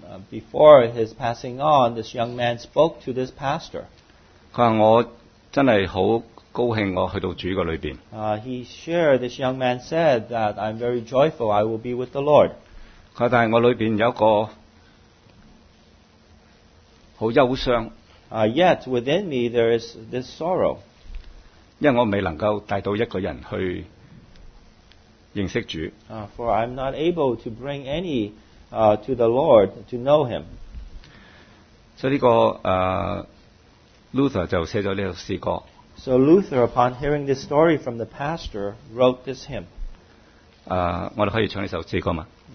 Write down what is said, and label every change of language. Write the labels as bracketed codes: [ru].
[en] before his passing on, this young man spoke to this pastor. [zh] 他說我真的很高興我去到主的裏面。 [en] He shared, this young man said, that I'm very joyful, I will be with the Lord. [zh] 他說但是我裏面有一個很憂傷。 [en] Yet within me there is this sorrow. [zh] 因為我未能夠帶到一個人去 認識主, [en] for I'm not able to bring any to the Lord to know him. So, [zh] 这个, Luther 就写了这首诗歌, [en] so Luther, upon hearing this story from the pastor, wrote this hymn. [zh] 我们可以唱这首诗歌吗?